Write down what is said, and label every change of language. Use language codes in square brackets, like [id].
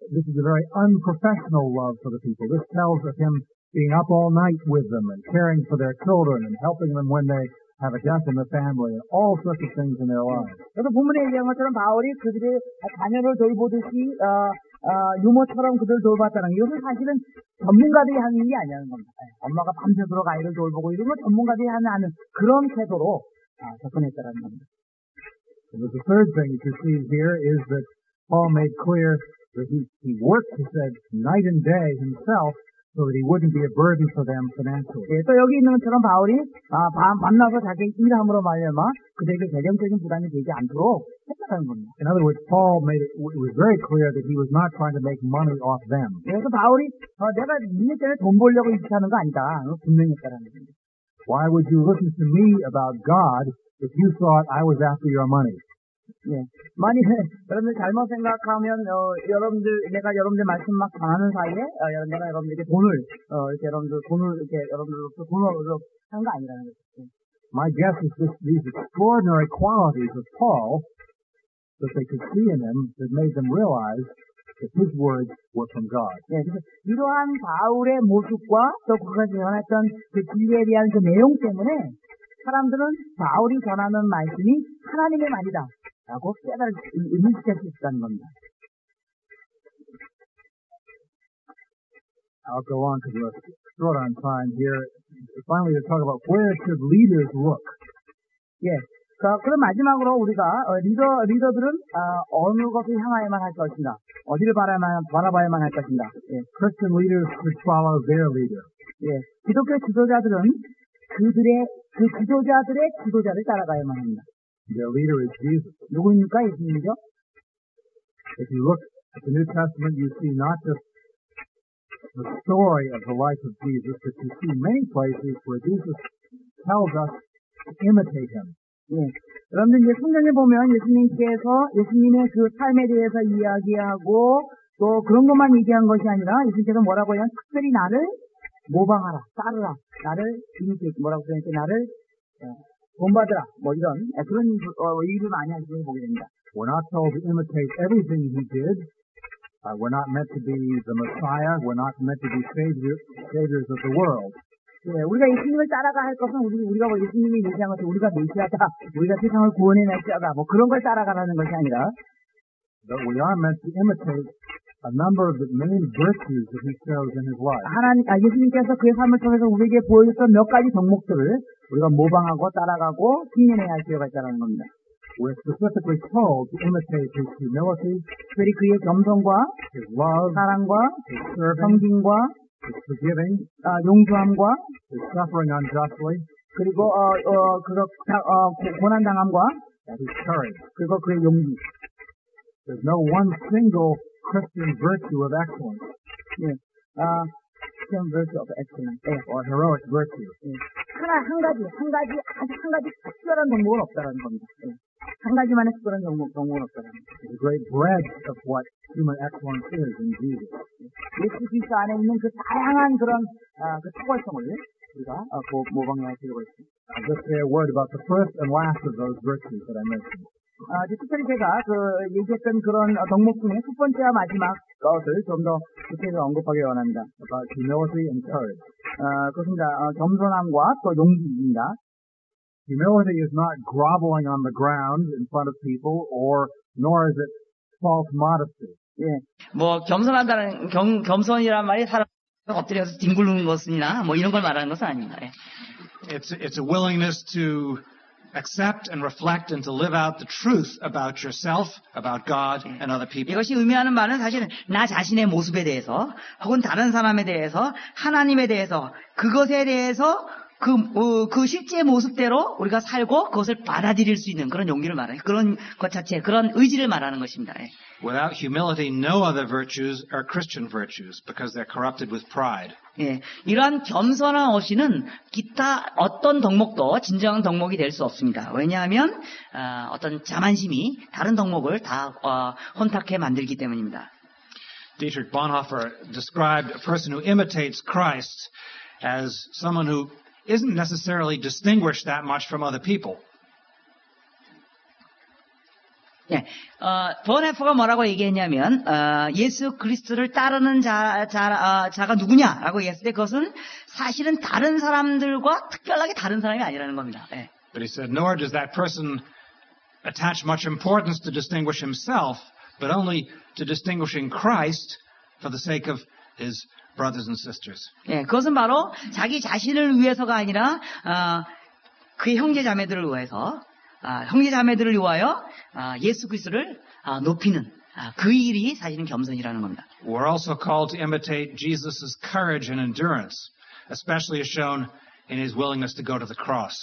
[en] This is a very unprofessional love for the people. This tells of him being up all night with them and caring for their children and helping them when they have a death in the family and all sorts of things in their lives. [ko] 그래서 본문에 얘기한 것처럼 바울이 그들의 자녀를 돌보듯이 유모처럼 그들을 돌봤다는 거예요. 이것은 사실은 전문가들이 하는 일이 아니라는 겁니다. 엄마가 밤새도록 아이를 돌보고 이런 걸 전문가들이 하는 그런 태도로 접근했다는 겁니다. [en] And the third thing you see here is that Paul made clear that he worked, he said, night and day himself so that he wouldn't be a burden for them financially. [ko] 예, 또 여기 있는 것처럼 바울이 만나서 자기 일함으로 말미암아 그들에게 재정적인 부담이 되지 않도록 했다는 겁니다. [en] In other words, Paul made it was very clear that he was not trying to make money off them. [ko] 예, 그래서 바울이 내가 니네 때문에 돈 벌려고 이렇게 하는 거 아니다. 분명했다는 겁니다. [en] Why would you listen to me about God if you thought I was after your money? [ko] 예, 만약 여러분들 잘못 생각하면 여러분들 내가 여러분들 말씀 막 전하는 사이에 내가 여러분들에게 돈을 이렇게 여러분들 돈을 이렇게 여러분들로부터 돈을 얻어 하는 거 아니라는 거죠. [en] My guess is this, these extraordinary qualities of Paul that they could see in him that made them realize that his words were from God. [ko] 예, 그래서 이러한 바울의 모습과 또 그가 전했던 그 진리에 대한 그 내용 때문에 사람들은 바울이 전하는 말씀이 하나님의 말이다. 라고 인식할 수 있다는 겁니다. [en] I'll go on because we're short on time here. Finally, to talk about where should leaders look. 예. [ko] 그럼 마지막으로 우리가 리더들은 어느 것을 향하여만 할 것인가? 어디를 바라봐야만 할 것인가? 예. [en] Christian leaders should follow their leader. 예. [ko] 기독교 지도자들은 그 지도자들의 지도자를 따라가야만 합니다. [en] Their leader is Jesus. [ko] 누구입니까? 예수님이죠? [en] If you look at the New Testament, you see not just the story of the life of Jesus, but you see many places where Jesus tells us to imitate him. 예. [ko] 여러분들 이제 성경에 보면 예수님께서 예수님의 그 삶에 대해서 이야기하고 또 그런 것만 얘기한 것이 아니라 예수님께서 뭐라고 하냐면 특별히 나를 모방하라, 따르라, 나를 이미테이트, 뭐라고 그러냐면 나를 본받으라 뭐 이런 그런 일을 많이 하시는 걸 보게 됩니다. [en] We're not told to imitate everything he did. We're not meant to be the Messiah. We're not meant to be saviors of the world. [ko] 네, 우리가 예수님을 따라가 할 것은 우리가 예수님이 얘기한 것처럼 우리가 메시아다, 우리가 세상을 구원해 메시아다, 뭐 그런 걸 따라가라는 것이 아니라. [en] But we are meant to imitate a number of the many virtues that he shows in his life. [ko] 하나님, 예수님께서 그의 삶을 통해서 우리에게 보여줬던 몇 가지 덕목들을 우리가 모방하고 따라가고 승인해야 할 필요가 있다는 겁니다. [en] We're specifically called to imitate His humility, [ko] 우리 그의 겸손과 [en] His love, [ko] 사랑과 [en] His serving, [ko] 성진과 [en] His forgiving, [ko] 용서함과 [en] His suffering unjustly, [ko] 그리고 고난당함과 [en] And His courage. [ko] 그리고 그의 용기. [en] There's no one single Christian virtue of excellence. Yeah. Christian virtue of excellence. Yeah. Or heroic virtue. Yeah. [ko] 하나, 한 가지 특별한 경우는 없다라는 겁니다. 예. 한 가지만의 특별한 경우는 없다라는 겁니다. [en] The great breadth of what human excellence is in Jesus. [ko] 예수 그리스도 안에 있는 그 다양한 그런, 그 특별성을 우리가, 모방해야 할 필요가 있습니다. [en] I'll just say a word about the first and last of those virtues that I mentioned. [ko] 이제 특별히 제가 그 얘기했던 그런 덕목 중에 첫 번째와 마지막 것을 좀 더 구체적으로 언급하기 원합니다. [en] About humility and courage. [ko] 그렇습니다. 겸손함과 또 용기입니다. [en] Humility is not groveling on the ground in front of people, or nor is it false modesty. 예. [ko] 뭐 겸손한다는 겸손이란 말이 사람 엎드려서 뒹굴는 것이나 뭐 이런 걸 말하는 것은 아닙니다. 예. [en] It's a willingness to accept and reflect and to live out the truth about yourself, about God and other people. [ko] 이것이 의미하는 말은 사실 나 자신의 모습에 대해서 혹은 다른 사람에 대해서 하나님에 대해서 그것에 대해서 그 실제 모습대로 우리가 살고 그것을 받아들일 수 있는 그런 용기를 말하는 그런 것 자체 그런 의지를 말하는 것입니다. [en] Without humility, no other virtues are Christian virtues because they're corrupted with pride. [ko] 예, 이러한 겸손함 없이는 기타 어떤 덕목도 진정한 덕목이 될 수 없습니다. 왜냐하면 어떤 자만심이 다른 덕목을 다 혼탁해 만들기 때문입니다. [en] Dietrich Bonhoeffer described a person who imitates Christ as someone who isn't necessarily distinguished that much from other people. [ko] 예, 본해프가 뭐라고 얘기했냐면 예수 그리스도를 따르는 자가 누구냐라고 했을 때 그것은 사실은 다른 사람들과 특별하게 다른 사람이 아니라는 겁니다. 예. [en] But he said, nor does that person attach much importance to distinguish himself, but only to distinguishing Christ for the sake of his brothers and sisters. [ko] 예, 그것은 바로 자기 자신을 위해서가 아니라 그의 형제 자매들을 위해서. 형제 자매들을 위하여 예수 그리스도를 높이는 그 일이 사실은 겸손이라는 겁니다. [en] We're also called to imitate Jesus's courage and endurance, especially as shown in his willingness to go to the cross.